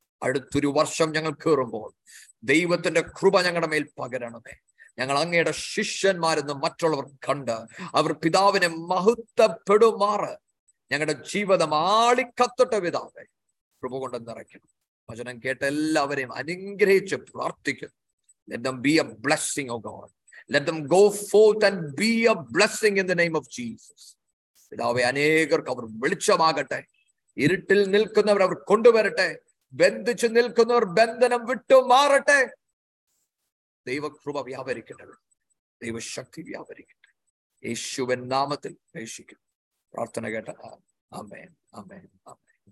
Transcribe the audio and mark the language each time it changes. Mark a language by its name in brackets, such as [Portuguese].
[Malayalam] അടുത്തൊരു വർഷം ഞങ്ങൾ കയറുമ്പോൾ ദൈവത്തിന്റെ കൃപ ഞങ്ങളുടെ മേൽ പകരണമേ. ഞങ്ങൾ അങ്ങയുടെ ശിഷ്യന്മാരെന്ന് മറ്റുള്ളവർ കണ്ട് അവർ പിതാവിനെ മഹത്വപ്പെടുമാറ് ഞങ്ങളുടെ ജീവിതം ആളിക്കത്തട്ടെ പിതാവേ. കൃപ കൊണ്ട് നിറയ്ക്കണം. വചനം കേട്ട എല്ലാവരെയും അനുഗ്രഹിച്ച് പ്രാർത്ഥിക്കുന്നു. [English] Let them be a blessing, O God. Let them go forth and be a blessing in the name of Jesus. [Malayalam] പിതാവേ, അനേകർക്ക് അവർ വെളിച്ചമാകട്ടെ. ഇരുട്ടിൽ നിൽക്കുന്നവർ അവർ കൊണ്ടുവരട്ടെ. ബന്ധിച്ച് നിൽക്കുന്നവർ ബന്ധനം വിട്ടു മാറട്ടെ. ദൈവകൃപ വ്യാപരിക്കട്ടെ, ദൈവശക്തി വ്യാപരിക്കട്ടെ. യേശുവൻ നാമത്തിൽ പ്രാർത്ഥന കേട്ട ആമേൻ, ആമേൻ, ആമേൻ.